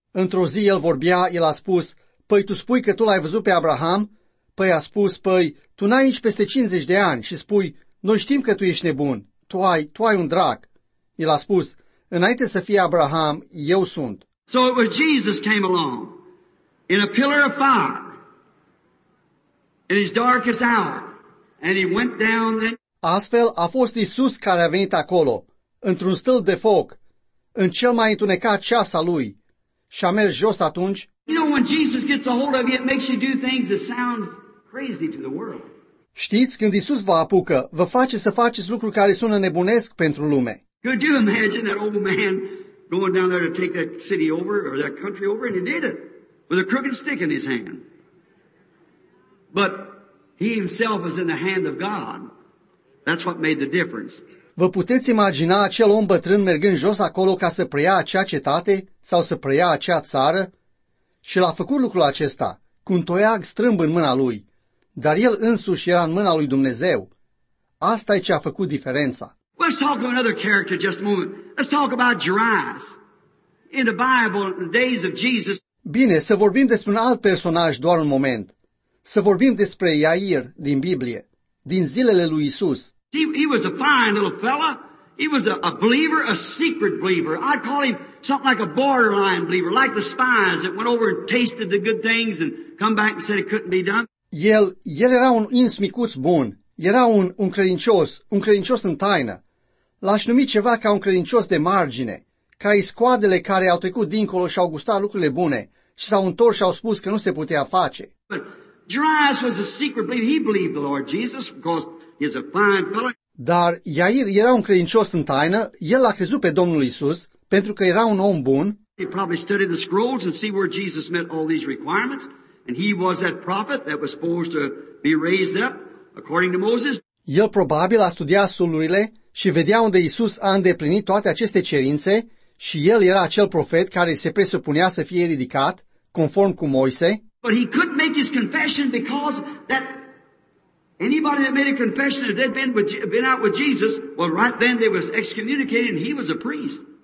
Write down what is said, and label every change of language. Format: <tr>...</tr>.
<ro>Într-o zi el vorbea, el a spus, păi tu spui că tu l-ai văzut pe Abraham? Păi a spus, păi, tu n-ai nici peste 50 de ani și spui, noi știm că tu ești nebun, tu ai un drac. El a spus, înainte să fie Abraham, eu sunt.</ro> <en>So it was Jesus came along in a pillar of fire in his darkest hour and he went down then.</en> <ro>Astfel a fost Iisus care a venit acolo, într-un stâlp de foc, în cel mai întunecat ceas al lui și a mers jos atunci.</ro> <en>You know, when Jesus gets a hold of you, it makes you do things that sound crazy to the world.</en> <ro>Știți, când Iisus vă apucă, vă face să faceți lucruri care sună nebunesc pentru lume.</ro> <en>Could you imagine that old man going down there to take that city over or that country over? And he did it with a crooked stick in his hand. But he himself was in the hand of God. That's what made the difference.</en> <ro>Vă puteți imagina acel om bătrân mergând jos acolo ca să preia acea cetate sau să preia acea țară? Și l-a făcut lucrul acesta cu un toiag strâmb în mâna lui, dar el însuși era în mâna lui Dumnezeu. Asta e ce a făcut diferența.</ro> <en>Let's talk about another character just a moment. Let's talk about Jairus. In the Bible, in the days of Jesus.</en> <ro>Bine, să vorbim despre un alt personaj doar un moment. Să vorbim despre Iair din Biblie, din zilele lui Isus.</ro> <en>He was a fine little fella. He was a believer, a secret believer. I call him something like a borderline believer, like the spies that went over and tasted the good things and come back and said it couldn't be done.</en> <ro>El era un insmicuț bun. Era un credincios, un credincios în taină. L-aș numi ceva ca un credincios de margine, ca iscoadele care au trecut dincolo și au gustat lucrurile bune și s-au întors și au spus că nu se putea face.</ro> <en>But Jairus was a secret believer. He believed the Lord Jesus because he's a fine fellow.</en> <ro>Dar Iair era un credincios în taină, el l-a crezut pe Domnul Iisus, pentru că era un om bun.</ro> <en>He probably studied the scrolls and see where Jesus met all these requirements, and he was that prophet that was supposed to be raised up according to Moses.</en> <ro>El probabil a studiat sulurile și vedea unde Iisus a îndeplinit toate aceste cerințe și el era acel profet care se presupunea să fie ridicat conform cu Moise.</ro> <en>But he couldn't make his confession because that anybody that made a confession that they'd been out with Jesus, well, right then they was excommunicated and he was a priest.</en>